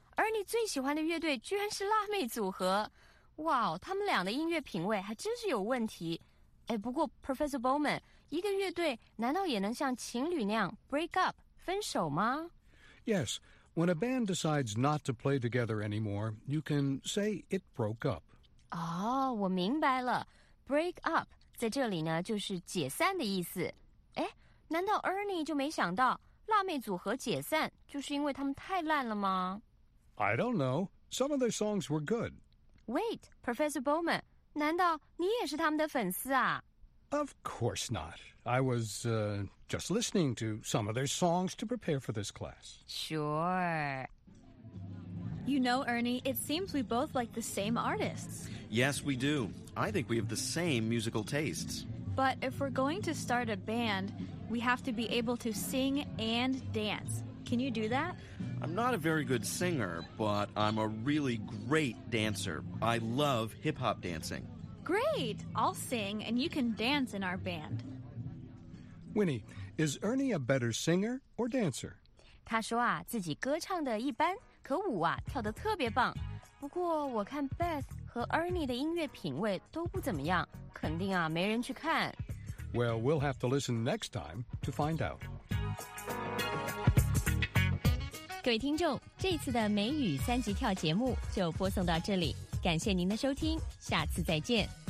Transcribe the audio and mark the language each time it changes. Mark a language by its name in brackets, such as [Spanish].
[Chinese] 而你最喜欢的乐队居然是辣妹组合，哇哦，他们俩的音乐品味还真是有问题。哎，不过 Professor Bowman， 一个乐队难道也能像情侣那样 break up 分手吗 [English] ？Yes, when a band decides not to play together anymore, you can say it broke up. [Chinese] 哦，我明白了 ，break up 在这里呢就是解散的意思。哎，难道 Ernie 就没想到？辣妹组合解散就是因为他们太烂了吗 [English] ？I don't know. Some of their songs were good. [Chinese] Wait, Professor Bowman, 难道你也是他们的粉丝啊 [English] ？Of course not. I was, just listening to some of their songs to prepare for this class. Sure. You know, Ernie, it seems we both like the same artists. Yes, we do. I think we have the same musical tastes. But if we're going to start a band,We have to be able to sing and dance. Can you do that? I'm not a very good singer, but I'm a really great dancer. I love hip-hop dancing. Great! I'll sing, and you can dance in our band. Winnie, is Ernie a better singer or dancer? [Chinese] 他说啊，自己歌唱的一般，可舞啊，跳得特别棒。不过我看 Beth 和 Ernie 的音乐品味都不怎么样，肯定啊，没人去看。 [English] Well, we'll have to listen next time to find out. [Chinese] 各位听众，这次的美语三级跳节目就播送到这里，感谢您的收听，下次再见。